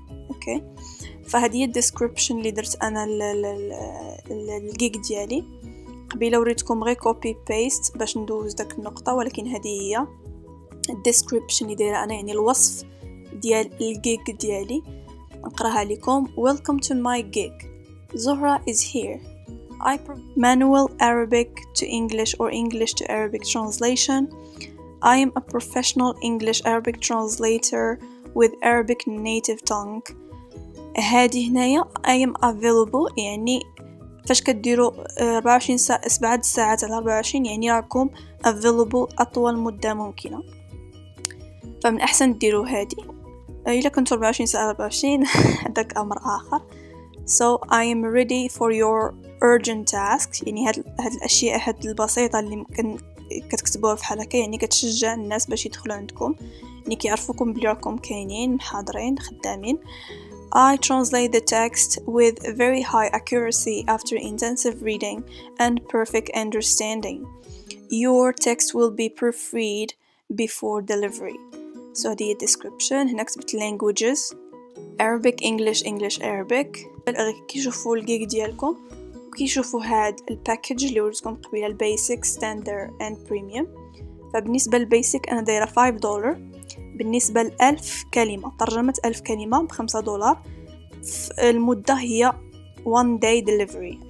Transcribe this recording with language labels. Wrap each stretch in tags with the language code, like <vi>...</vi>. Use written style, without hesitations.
<ar>اوكي فهذه هي الديسكريبشن اللي درت انا للجيك ديالي قبيله، وريتكم غير كوبي بيست باش ندوز داك النقطه، ولكن هذه هي الديسكريبشن اللي دايره انا يعني الوصف ديال الجيك ديالي. نقراها لكم.</ar> <en>Welcome to my gig. Zohra is here. I provide manual Arabic to English or English to Arabic translation. I am a professional English Arabic translator with Arabic native tongue.</en> <ar>هادي هنايا</ar> <en>I am available،</en> <ar>يعني فاش كديروا 24 ساعة 7 ساعات على 24 يعني راكم available أطول مدة ممكنة، فمن أحسن ديروا هادي. إلا كنتوا 24 ساعة 24 هذاك أمر آخر.</ar> <en>So I am ready for your urgent tasks.</en> <ar>يعني هاد الأشياء هاد البسيطة اللي ممكن كتكتبوها في حلقة، يعني كتشجع الناس باش يدخلوا عندكم، يعني كيعرفوكم بلي راكم كاينين حاضرين خدامين.</ar> <en>I translate the text with very high accuracy after intensive reading and perfect understanding. Your text will be proofread before delivery. So the description</en> <ar>هنا كتبت</ar> <en>languages Arabic English English Arabic.</en> <ar>كيشوفوا الجيك ديالكم وكيشوفوا هاد الباكج اللي ورتكم قبيله، البيسك ستاندر اند بريميوم. فبالنسبه للبيسك انا دايره $5، بالنسبه ل 1000 كلمه ترجمه 1000 كلمه ب $5، المده هي</ar> <en>1 day delivery.</en>